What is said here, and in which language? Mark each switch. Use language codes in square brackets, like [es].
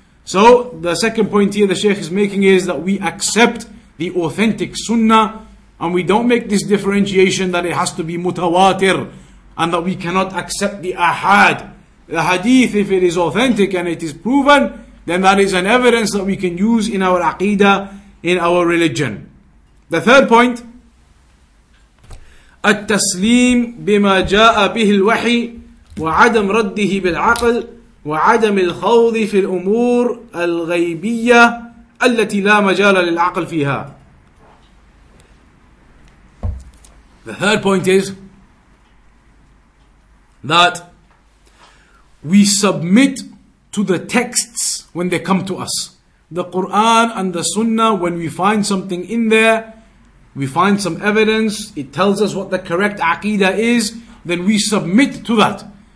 [en] So the second point here the Shaykh is making is that we accept the authentic sunnah and we don't make this differentiation that it has to be mutawatir and that we cannot accept the ahad. The hadith, if it is authentic and it is proven, then that is an evidence that we can use in our aqidah, in our religion. The third point, [ar] التسليم بما جاء به الوحي وعدم رده بالعقل وعدم الخوض في الأمور الغيبية التي لا مجال للعقل فيها. [en] The third point is that we submit to the texts when they come to us. The Quran and the Sunnah, when we find something in there, we find some evidence, it tells us what the correct aqidah is, then we submit to that.